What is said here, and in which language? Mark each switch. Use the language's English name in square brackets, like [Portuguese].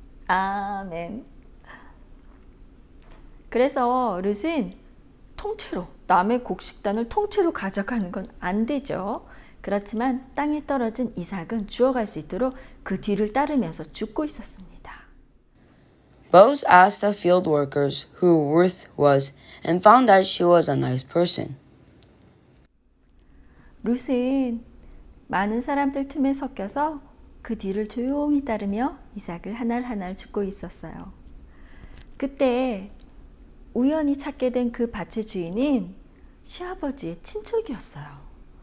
[Korean] 아멘. 그래서 룻은 통째로 남의 곡식단을 통째로 가져가는 건 안 되죠. 그렇지만 땅에 떨어진 이삭은 주워갈 수 있도록 그 뒤를 따르면서 죽고 있었습니다. [English] Boaz asked the field workers who Ruth was and found that she was a nice person. [Korean] 룻은 많은 사람들 틈에 섞여서 그 뒤를 조용히 따르며 이삭을 한알 죽고 있었어요. 그때 우연히 찾게 된 그 밭의 주인은 시아버지의 친척이었어요.